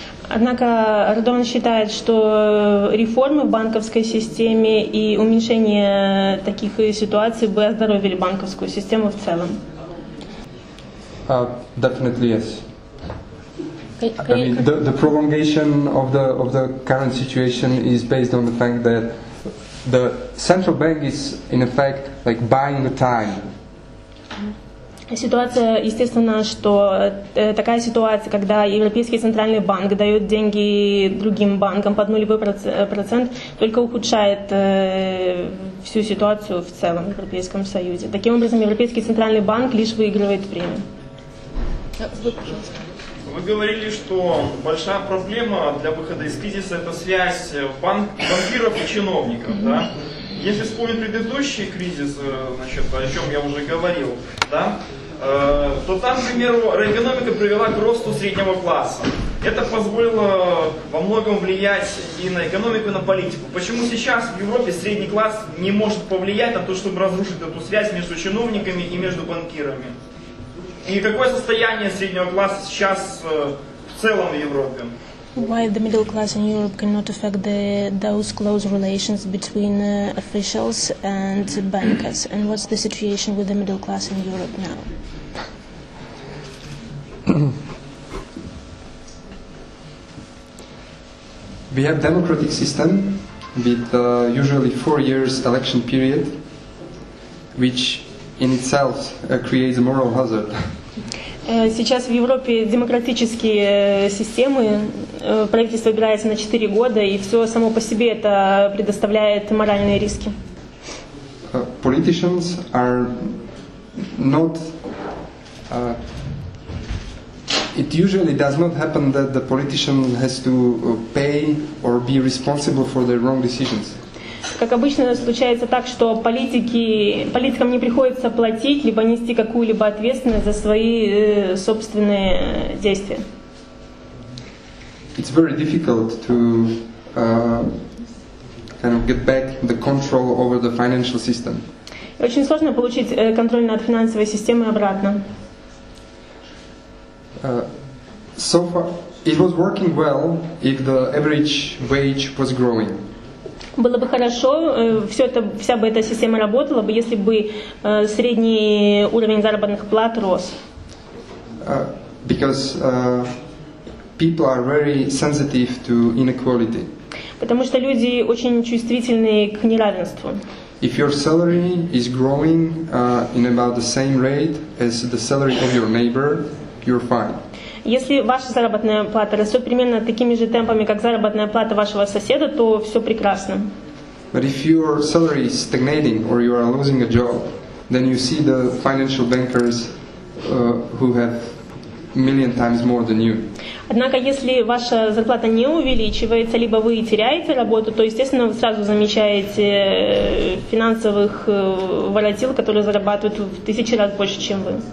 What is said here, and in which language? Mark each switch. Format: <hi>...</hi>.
<ru>Однако Радован считает, что реформы в банковской системе и уменьшение таких ситуаций бы оздоровили банковскую систему в целом.</ru> <en>Definitely yes. The prolongation of the current situation is based on the fact that the central bank is in effect like buying the time.</en> <ru>Ситуация, естественно, что такая ситуация, когда Европейский центральный банк дает деньги другим банкам под нулевой процент, только ухудшает всю ситуацию в целом в Европейском Союзе. Таким образом, Европейский центральный банк лишь выигрывает время. Вы говорили, что большая проблема для выхода из кризиса – это связь банкиров и чиновников, да? Если вспомнить предыдущий кризис, значит, о чем я уже говорил, да? То там, к примеру, экономика привела к росту среднего класса. Это позволило во многом влиять и на экономику, и на политику. Почему сейчас в Европе средний класс не может повлиять на то, чтобы разрушить эту связь между чиновниками и между банкирами? И какое состояние среднего класса сейчас в целом в Европе?</ru> <en>Why the middle class in Europe cannot affect those close relations between officials and bankers? And what's the situation with the middle class in Europe now? We have democratic system with usually 4 years election period, which in itself creates a moral hazard.</en> <ru>Сейчас в Европе демократические системы, правительство выбирается на 4 года, и все само по себе это предоставляет моральные риски.</ru> <en>Politicians are not... It usually does not happen that the politician has to pay or be responsible for their wrong decisions.</en> <ru>Как обычно, случается так, что политикам не приходится платить либо нести какую-либо ответственность за свои собственные действия.</ru> <en>It's very difficult to kind of get back the control over the financial system.</en> <ru>Очень сложно получить контроль над финансовой системой обратно.</ru> <en>So far, it was working well if the average wage was growing.</en> <ru>Было бы хорошо, все это, вся бы эта система работала бы, если бы средний уровень заработных плат рос.</ru> <en>Because people are very sensitive to inequality.</en> <ru>Потому что люди очень чувствительны к неравенству.</ru> <en>If your salary is growing in about the same rate as the salary of your neighbor, you're fine.</en> <ru>Если ваша заработная плата растет примерно такими же темпами, как заработная плата вашего соседа, то все прекрасно.</ru> <en>But if your salary is stagnating or you are losing a job, then you see the financial bankers who have million times more than you.</en> <ru>Однако, если ваша зарплата не увеличивается, либо вы теряете работу, то, естественно, вы сразу замечаете финансовых воротил, которые зарабатывают в тысячи раз больше, чем вы.</ru>